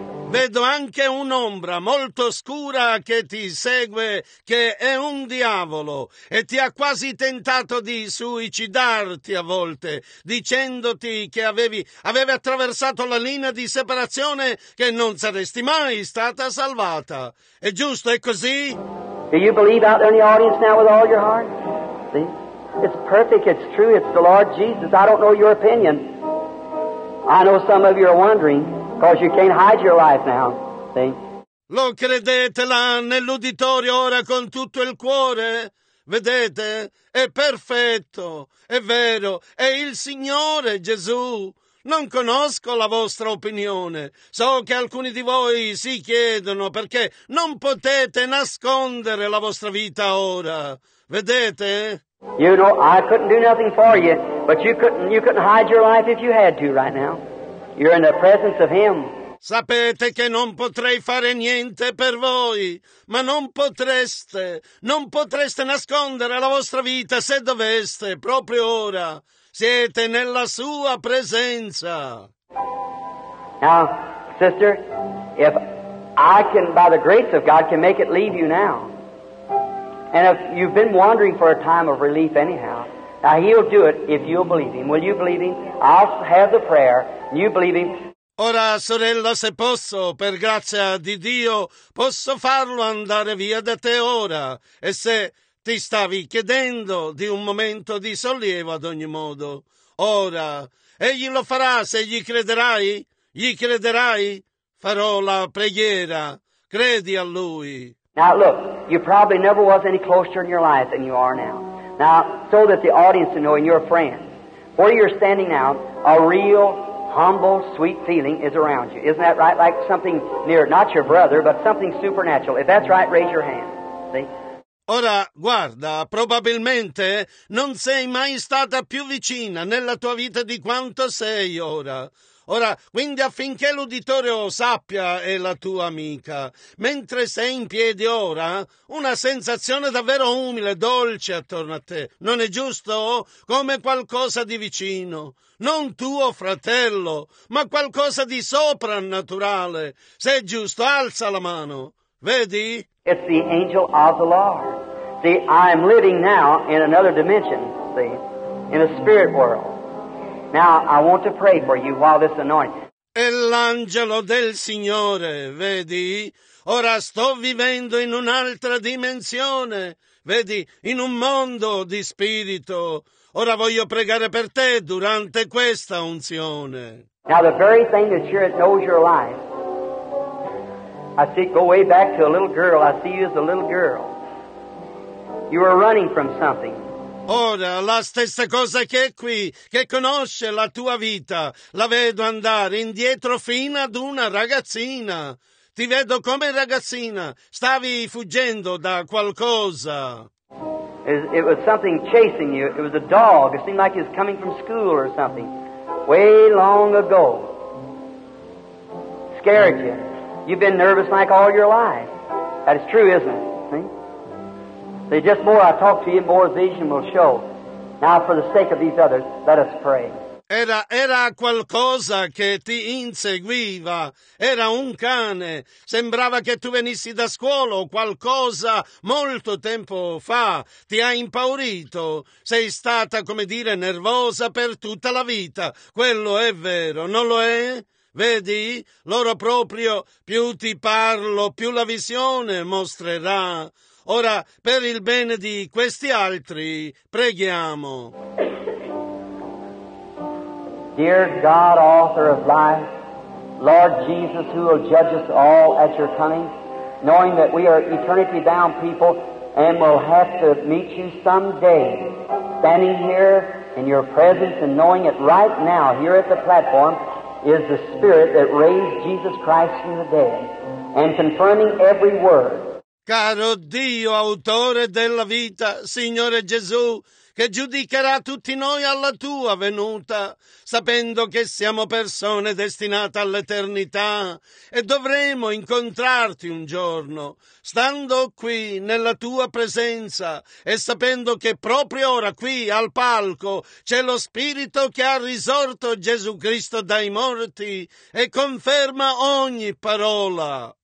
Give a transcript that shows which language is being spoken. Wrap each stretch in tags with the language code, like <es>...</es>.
<it>Vedo anche un'ombra molto scura che ti segue, che è un diavolo, e ti ha quasi tentato di suicidarti a volte, dicendoti che avevi attraversato la linea di separazione, che non saresti mai stata salvata. È giusto, è così?</it> <en>Do you believe out there in the audience now with all your heart? See? It's perfect, it's true, it's the Lord Jesus. I don't know your opinion. I know some of you are wondering. Because you can't hide your life now, see?</en> <it>Lo credete là nell'uditorio ora con tutto il cuore? Vedete? È perfetto, è vero, è il Signore Gesù. Non conosco la vostra opinione. So che alcuni di voi si chiedono perché non potete nascondere la vostra vita ora. Vedete?</it> <en>You know, I couldn't do nothing for you, but you couldn't hide your life if you had to right now. You're in the presence of Him.</en> <it>Sapete che non potrei fare niente per voi, ma non potreste nascondere la vostra vita se doveste, proprio ora. Siete nella Sua presenza.</it> <en>Now, sister, if I can, by the grace of God, can make it leave you now, and if you've been wandering for a time of relief anyhow, Now, he'll do it if you'll believe him. Will you believe him? I'll have the prayer. You believe him.</en> <it>Ora, sorella, se posso, per grazia di Dio, posso farlo andare via da te ora. E se ti stavi chiedendo di un momento di sollievo ad ogni modo, ora. Egli lo farà se gli crederai? Gli crederai? Farò la preghiera. Credi a lui.</it> <en>Now look, you probably never was any closer in your life than you are now. Now, so that the audience will know and your friends, where you're standing now, a real humble, sweet feeling is around you. Isn't that right? Like something near, not your brother, but something supernatural. If that's right, raise your hand. See?</en> <it>Ora, guarda, probabilmente non sei mai stata più vicina nella tua vita di quanto sei ora. Ora, quindi affinché l'uditore lo sappia e la tua amica, mentre sei in piedi ora, una sensazione davvero umile, dolce attorno a te. Non è giusto? Come qualcosa di vicino. Non tuo fratello, ma qualcosa di soprannaturale. Se è giusto, alza la mano. Vedi?</it> <en>It's the angel of the Lord. See, I'm living now in another dimension, see, in a spirit world. Now, I want to pray for you while this anointing.</en> <it>È l'angelo del Signore, vedi? Ora sto vivendo in un'altra dimensione, vedi? In un mondo di spirito. Ora voglio pregare per te durante questa unzione.</it> <en>Now, the very thing that you're, knows your life, I see, go way back to a little girl, I see you as a little girl. You were running from something.</en> <it>Ora, la stessa cosa che è qui, che conosce la tua vita, la vedo andare indietro fino ad una ragazzina. Ti vedo come ragazzina, stavi fuggendo da qualcosa.</it> <en>It was something chasing you, it was a dog, it seemed like it was coming from school or something. Way long ago. Scared you. You've been nervous like all your life. That is true, isn't it? The just more I talk to you, more vision will show. Now, for the sake of these others, let us pray.</en> <it>Era qualcosa che ti inseguiva. Era un cane. Sembrava che tu venissi da scuola o qualcosa molto tempo fa. Ti ha impaurito. Sei stata, come dire, nervosa per tutta la vita. Quello è vero, non lo è? Vedi? Loro proprio, più ti parlo, più la visione mostrerà. Ora, per il bene di questi altri, preghiamo.</it> <en>Dear God, author of life, Lord Jesus, who will judge us all at your coming, knowing that we are eternity bound people and will have to meet you someday, standing here in your presence and knowing it right now, here at the platform, is the Spirit that raised Jesus Christ from the dead and confirming every word.</en> <it>Caro Dio, autore della vita, Signore Gesù, che giudicherà tutti noi alla tua venuta, sapendo che siamo persone destinate all'eternità e dovremo incontrarti un giorno, stando qui nella tua presenza e sapendo che proprio ora qui al palco c'è lo Spirito che ha risorto Gesù Cristo dai morti e conferma ogni parola.</it>